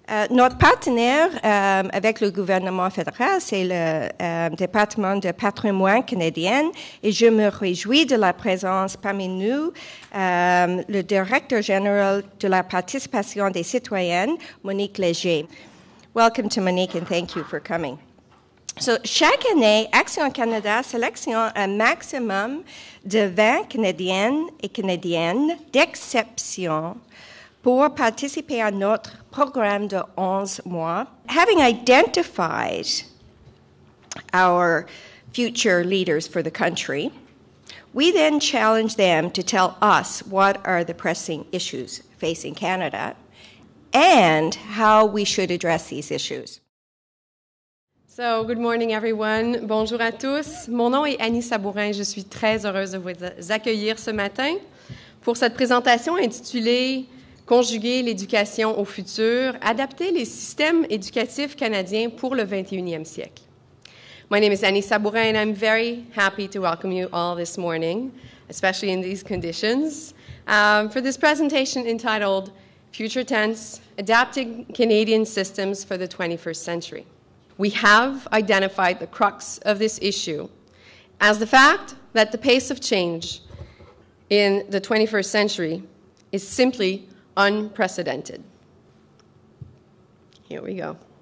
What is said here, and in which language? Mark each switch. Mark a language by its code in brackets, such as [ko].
[fr] Notre partenaire avec le gouvernement fédéral, c'est le département de patrimoine canadien, et je me réjouis de la présence parmi nous le directeur général de la participation des citoyennes, Monique Léger. [en] Welcome to Monique, and thank you for coming. [fr] So, chaque année, Action Canada sélectionne un maximum de 20 Canadiennes et Canadiennes d'exception pour participer à notre programme de 11 mois. [en] Having identified our future leaders for the country, we then challenge them to tell us what are the pressing issues facing Canada and how we should address these issues. So, good morning everyone. [fr] Bonjour à tous. Mon nom est Annie Sabourin. Je suis très heureuse de vous accueillir ce matin pour cette présentation intitulée Conjuguer l'éducation au futur, adapter les systèmes éducatifs canadiens pour le 21e siècle. [en] My name is Annie Sabourin, and I'm very happy to welcome you all this morning, especially in these conditions, for this presentation entitled Future Tense, Adapting Canadian Systems for the 21st Century. We have identified the crux of this issue as the fact that the pace of change in the 21st century is simply unprecedented. Here we go.